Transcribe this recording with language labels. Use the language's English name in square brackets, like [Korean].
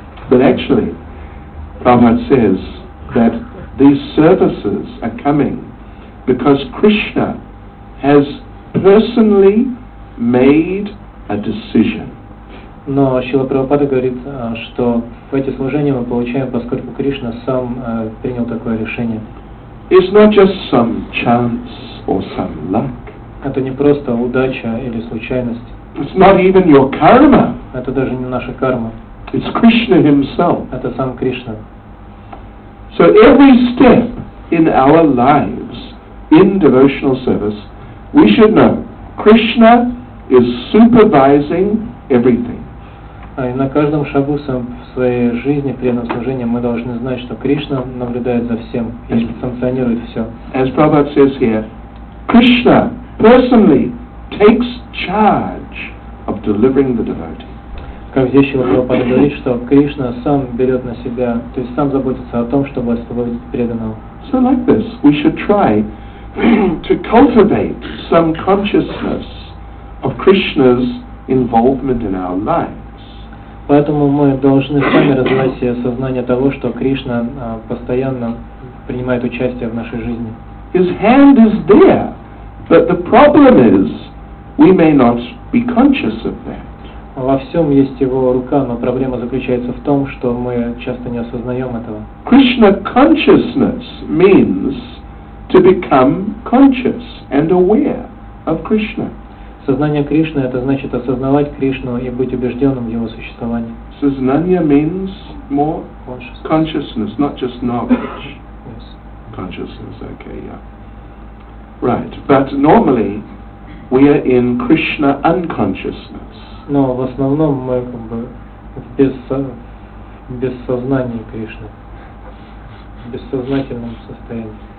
[English] But actually, Prabhupada says that these services are coming because Krishna has personally made a decision. [Russian] Но Шрила Прабхупада говорит, что эти служения мы получаем, поскольку Кришна сам принял такое решение. [English] It's not just some chance or some luck. [Russian] Это не просто удача или случайность. [English] It's not even your karma. [Russian] Это даже не наша карма. [English] It's Krishna himself. [Russian] Это сам Кришна. [English] So every step in our lives in devotional service, we should know Krishna is supervising everything. [Russian] И на каждом шагу в своей жизни, при этом служении, мы должны знать, что Кришна наблюдает за всем и санкционирует все. [English] As Prabhupada says here, Krishna personally takes charge of delivering the devotee. [Russian] Как здесь Шрила Прабхупада говорит, что Кришна сам берет на себя, то есть сам заботится о том, чтобы освободить преданного. [English] So like this, we should try to cultivate some consciousness of Krishna's involvement in our life. [Russian] Поэтому мы должны сами развивать себе сознание того, что Кришна постоянно принимает участие в нашей жизни. [English] His hand is there, but the problem is we may not be conscious of that. [Russian] Во всем есть его рука, но проблема заключается в том, что мы часто не осознаем этого. [English] Krishna consciousness means to become conscious and aware of Krishna. [Russian] Сознание Кришны — это значит осознавать Кришну и быть убежденным в Его существовании. [English] Сознание means more consciousness, not just knowledge. Yes. Consciousness, okay, yeah. Right, but normally we are in Krishna unconsciousness. [Russian] Но в основном мы как бы без сознания Кришны, в бессознательном состоянии.